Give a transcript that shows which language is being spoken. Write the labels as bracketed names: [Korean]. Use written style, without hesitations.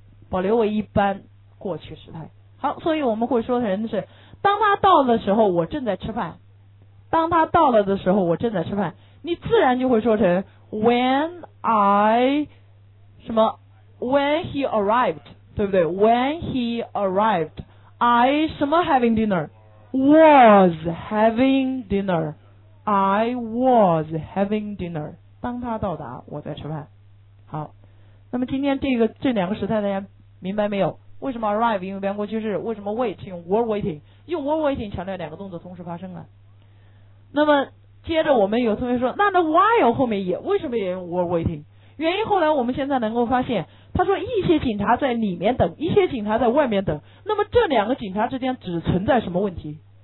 [Chinese] 保留为一般过去时态。好，所以我们会说的人是，当他到的时候我正在吃饭，当他到了的时候我正在吃饭，你自然就会说成 [English] when I [Chinese] 什么 [English] when he arrived， [Chinese] 对不对？ [English] When he arrived I [Chinese] 什么 [English] having dinner? Was having dinner I was having dinner [Chinese] 当他到达我在吃饭。好，那么今天这两个时态大家明白没有？为什么 arrive 用一般过去式，为什么 wait 用 [English] were waiting， [Chinese] 用 were waiting 强调两个动作同时发生了。那么接着我们有同学说，那 while 后面也为什么也用 [English] were waiting？ [Chinese] 原因后来我们现在能够发现，他说一些警察在里面等，一些警察在外面等，那么这两个警察之间只存在什么问题？